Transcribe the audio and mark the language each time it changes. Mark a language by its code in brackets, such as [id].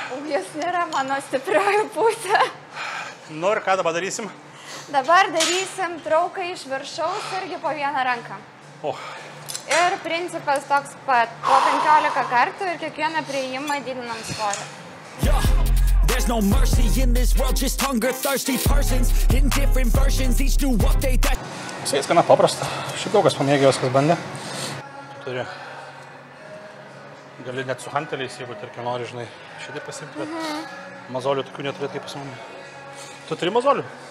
[lt] Jis nėra mano stipriojų pusė. Nu ir ką dabar darysim? Dabar darysim trauką iš viršaus irgi po vieną ranką. O. Ir principas toks pat. Po 15 kartų ir kiekvieną priėjimą didinam svorį. [en] There's no mercy in this world, just hunger thirsty persons in different versions, each new update that... [lt] Sėjas gana paprasta. Šiaip daug kas pamėgė, jos kas bandė. Turi. Gali net su hanteliais, jeigu tarkiu nori, žinai, šitai pasimti, bet mazolių tokių neturėtų kaip pas mane. Tu turi mazolių?